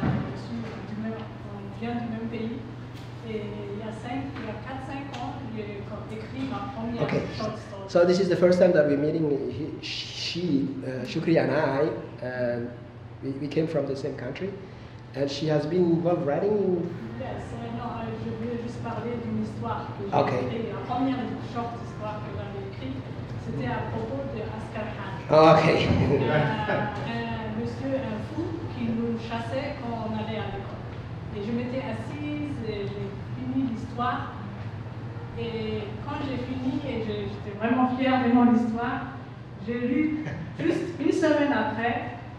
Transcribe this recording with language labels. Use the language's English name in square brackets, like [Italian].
[French] Je suis du même, on vient du même pays. Et il y a 4-5 ans, j'ai écrit ma première [English] okay. short story. So this is the first time that we're meeting. Shukri and I, we came from the same country. And she has been involved writing. Yes, I know. I just want to talk about a story that I wrote. The first short story that I wrote was about Askar Khan. Okay. [French] un fou qui nous chassait quand on allait à l'école. Et je m'étais assise et j'ai fini l'histoire. Et quand j'ai fini et j'étais vraiment fière de mon histoire, j'ai lu juste une semaine après.